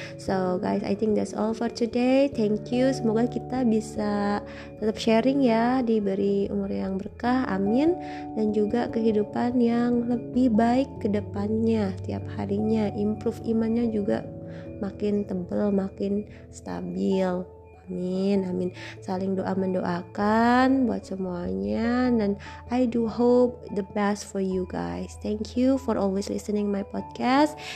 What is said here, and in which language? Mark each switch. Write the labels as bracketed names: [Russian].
[English] So guys, I think that's all for today. Thank you, [Indonesian] semoga kita bisa tetap sharing ya, diberi umur yang berkah, amin, dan juga kehidupan yang lebih baik ke depannya. Tiap harinya improve imannya juga makin tebel, makin stabil. Amin, amin. Saling doa mendoakan buat semuanya. Dan [English] I do hope the best for you guys. Thank you for always listening my podcast.